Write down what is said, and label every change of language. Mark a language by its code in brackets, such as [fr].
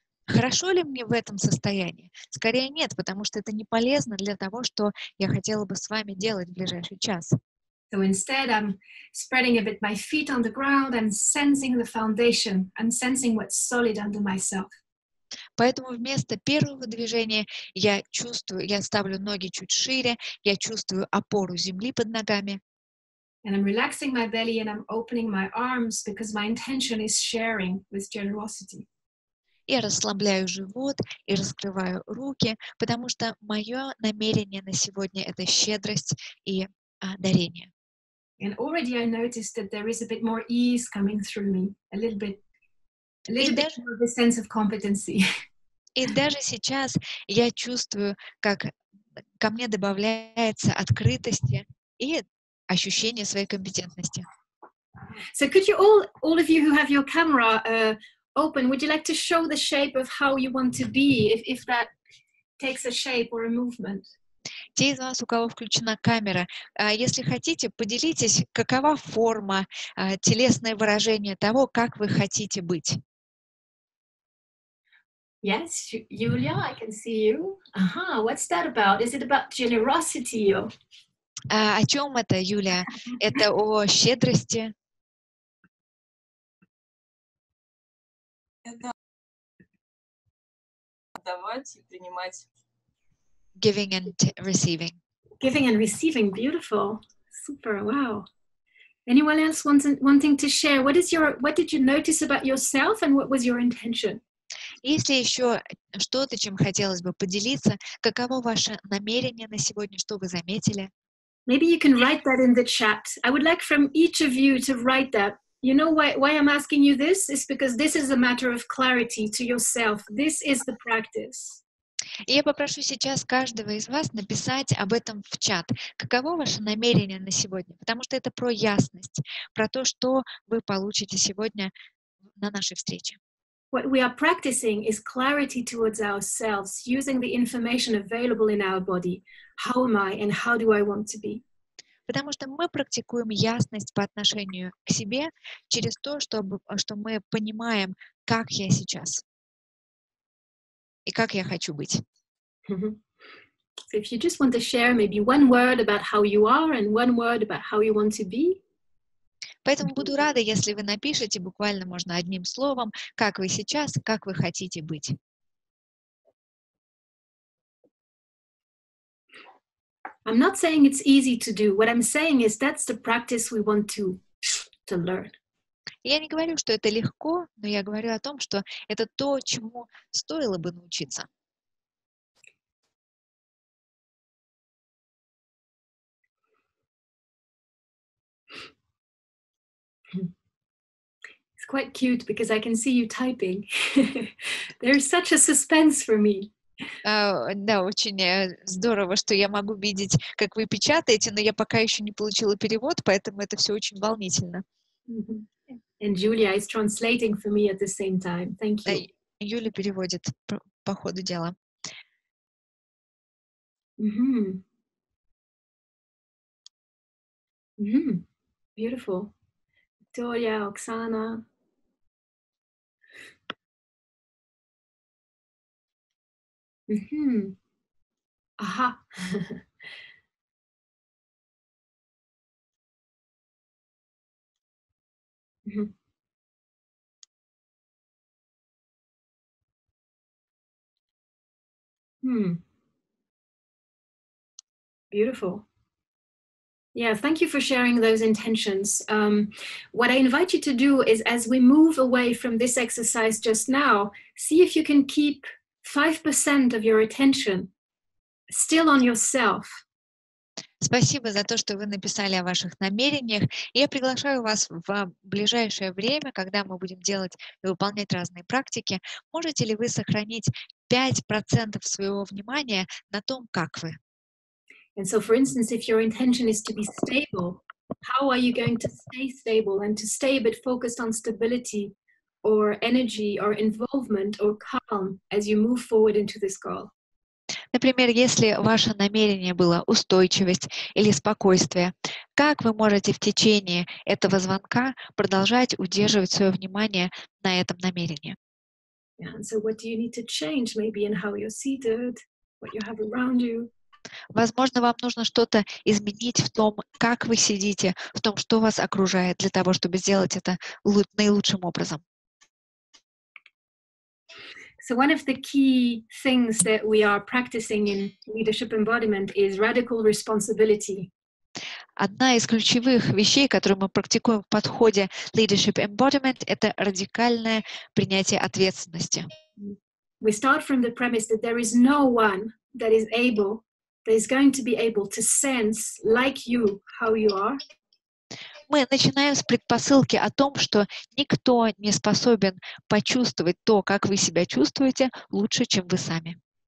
[ru] Хорошо ли мне в этом состоянии? Скорее нет, потому что это не полезно для того, что я хотела бы с вами делать в ближайший час. [en] So instead, I'm spreading a bit my feet on the ground and sensing the foundation. I'm sensing what's solid under myself. [ru] Поэтому вместо первого движения я чувствую, я ставлю ноги чуть шире, я чувствую опору земли под ногами. [en] And I'm relaxing my belly and I'm opening my arms because my intention is sharing with generosity. [ru] Я расслабляю живот и раскрываю руки, потому что мое намерение на сегодня — это щедрость и дарение. [en] And already I noticed that there is a bit more ease coming through me, a little bit more of a sense of competency. [ru] И даже сейчас я чувствую, как ко мне добавляется открытости и ощущение своей компетентности. [en] So could you all of you who have your camera, open, would you like to show the shape of how you want to be, if that takes a shape or a movement? [ru] Те из вас, у кого включена камера, если хотите, поделитесь, какова форма, телесное выражение того, как вы хотите быть. [en] Yes, Julia, I can see you. Aha, what's that about? Is it about generosity? [ru] О чем это, Юлия? Это о щедрости? Давать и принимать. [en] Giving and receiving. Giving and receiving, beautiful. Super, wow. Anyone else wanting to share? What did you notice about yourself and what was your intention? [ru] Если еще что-то, чем хотелось бы поделиться, каково ваше намерение на сегодня, что вы заметили? [en] Maybe you can write that in the chat. I would like from each of you to write that. You know why I'm asking you this? It's because this is a matter of clarity to yourself. This is the practice. [ru] Я попрошу сейчас каждого из вас написать об этом в чат. Каково ваше намерение на сегодня? Потому что это про ясность, про то, что вы получите сегодня на нашей встрече. [en] What we are practicing is clarity towards ourselves, using the information available in our body. How am I and how do I want to be? [ru] Потому что мы практикуем ясность по отношению к себе через то, что мы понимаем, как я сейчас и как я хочу быть. [en] So if you just want to share maybe one word about how you are and one word about how you want to be. [ru] Поэтому буду рада, если вы напишете буквально можно одним словом, как вы сейчас, как вы хотите быть. [en] I'm not saying it's easy to do. What I'm saying is that's the practice we want to learn. [ru] Я не говорю, что это легко, но я говорю о том, что это то, чему стоило бы научиться. [en] It's quite cute because I can see you typing. There's such a suspense for me. [ru] Да, очень здорово, что я могу видеть, как вы печатаете, но я пока еще не получила перевод, поэтому это все очень волнительно. Mm-hmm. [en] And Julia is translating for me at the same time. Thank you. [ru] Да, Юля переводит по ходу дела. Mm-hmm. [en] Mm-hmm. Beautiful. Victoria, Оксана. Mm-hmm. Aha. Mm-hmm. Hmm. Beautiful. Yeah, thank you for sharing those intentions. What I invite you to do is, as we move away from this exercise just now, see if you can keep 5% of your attention still on yourself. [ru] Спасибо за то, что вы написали о ваших намерениях. Я приглашаю вас в ближайшее время, когда мы будем делать и выполнять разные практики. Можете ли вы сохранить 5% своего внимания на том, как вы? [en] And so, for instance, if your intention is to be stable, how are you going to stay stable and to stay a bit focused on stability? Or energy, or involvement, or calm as you move forward into this goal. [ru] Например, если ваше намерение было устойчивость или спокойствие, как вы можете в течение этого звонка продолжать удерживать свое внимание на этом намерении? [en] Yeah, and so what do you need to change, maybe in how you're seated, what you have around you? [ru] Возможно, вам нужно что-то изменить в том, как вы сидите, в том, что вас окружает, для того, чтобы сделать это наилучшим образом. [en] So one of the key things that we are practicing in leadership embodiment is radical responsibility. [ru] Одна из ключевых вещей, которую мы практикуем в подходе leadership embodiment, это радикальное принятие ответственности. [en] We start from the premise that there is no one that is able, that is going to be able to sense like you how you are. [ru] Мы начинаем с предпосылки о том, что никто не способен почувствовать то, как вы себя чувствуете, лучше, чем вы сами.